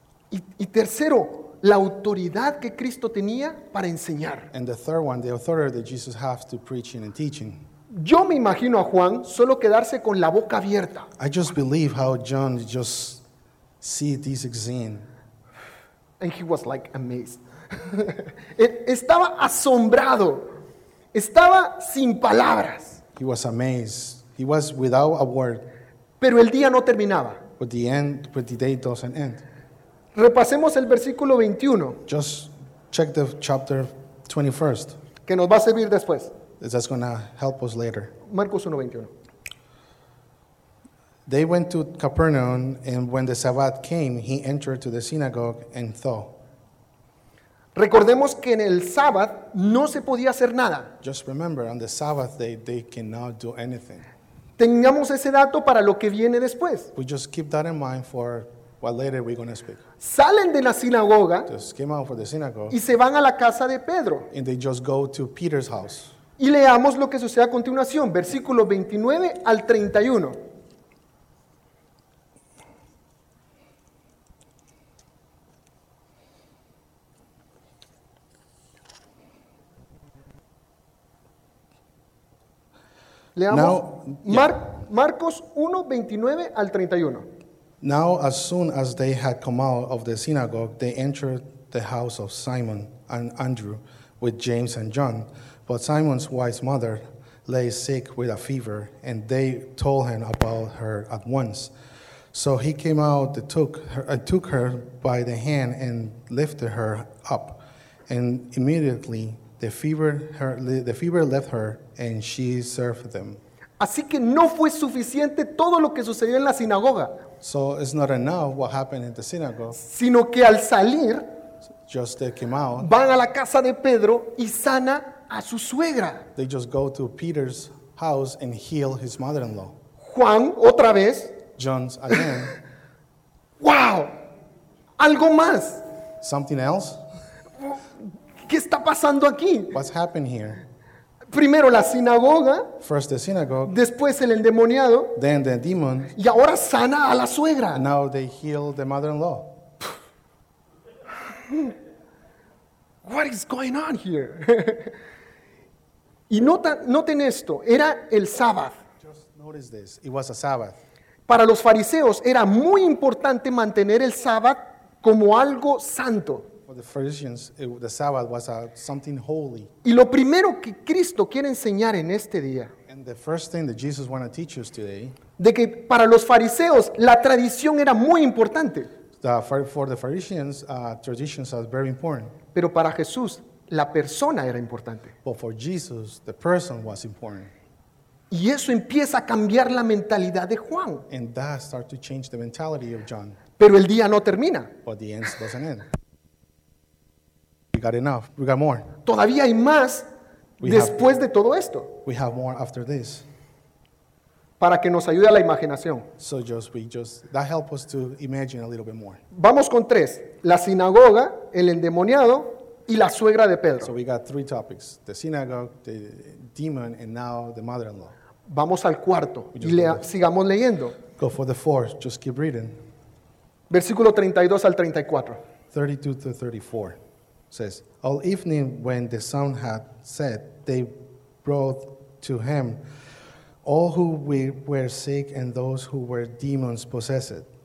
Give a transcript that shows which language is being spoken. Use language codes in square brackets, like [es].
[es] Y tercero, la autoridad que Cristo tenía para enseñar. [en] And the third one, the authority that Jesus has to preaching and teaching. [es] Yo me imagino a Juan solo quedarse con la boca abierta. [en] I just believe how John just see this scene. And he was like amazed. [es] Estaba asombrado. Estaba sin palabras. [en] He was amazed. He was without a word. [es] Pero el día no terminaba. [en] But the day doesn't end. [es] Repasemos el versículo 21. [en] Just check the chapter 21st. [es] Que nos va a servir después. [en] That's going to help us later. [es] Marcos 1:21. [en] They went to Capernaum, and when the Sabbath came, he entered to the synagogue and taught. [es] Recordemos que en el Sabbath no se podía hacer nada. [en] Just remember, on the Sabbath they cannot do anything. [es] Tengamos ese dato para lo que viene después. [en] We just keep that in mind for what later we're going to speak. [es] Salen de la sinagoga. [en] Just came out for the synagogue. [es] Y se van a la casa de Pedro. [en] And they just go to Peter's house. [es] Y leamos lo que sucede a continuación, versículo 29 al 31. Leamos [en] now, [es] Marcos 1, 29 al 31. [en] Now, as soon as they had come out of the synagogue, they entered the house of Simon and Andrew with James and John. But Simon's wife's mother lay sick with a fever, and they told him about her at once. So he came out, took her by the hand, and lifted her up. And immediately the fever left her, and she served them. [es] Así que no fue suficiente todo lo que sucedió en la sinagoga. [en] So it's not enough what happened in the synagogue. [es] Sino que al salir, [en] just they came out, [es] van a la casa de Pedro y sana a su suegra. [en] They just go to Peter's house and heal his mother-in-law. [es] Juan, otra vez. [en] John's again. [es] Wow. Algo más. [en] Something else. [es] ¿Qué está pasando aquí? [en] What's happened here? [es] Primero la sinagoga. [en] First the synagogue. [es] Después el endemoniado. [en] Then the demon. [es] Y ahora sana a la suegra. [en] And now they heal the mother-in-law. What is going on here? [es] Y noten esto, era el Sabbath. [en] Just notice this, it was a Sabbath. [es] Para los fariseos era muy importante mantener el Sabbath como algo santo. [en] For the Pharisees, the Sabbath was something holy. [es] Y lo primero que Cristo quiere enseñar en este día. [en] And the first thing that Jesus wanted to teach us today. [es] De que para los fariseos la tradición era muy importante. [en] For the Pharisees, traditions are very important. [es] Pero para Jesús la persona era importante. [en] But for Jesus, the person was important. [es] Y eso empieza a cambiar la mentalidad de Juan. [en] And that started to change the mentality of John. [es] Pero el día no termina. [en] But the end doesn't end. We got enough. We got more. [es] Todavía hay más después de todo esto. [en] We have more after this. [es] Para que nos ayude a la imaginación. [en] So that help us to imagine a little bit more. [es] Vamos con tres. La sinagoga, el endemoniado, y la suegra de Pedro. [en] So we got three topics. The synagogue, the demon, and now the mother-in-law. [es] Vamos al cuarto. Sigamos leyendo. [en] Go for the fourth. Just keep reading. [es] Versículo 32 al 34. [en] 32 to 34. Says, all evening when the sun had set, they brought to him all who were sick and those who were demons possessed.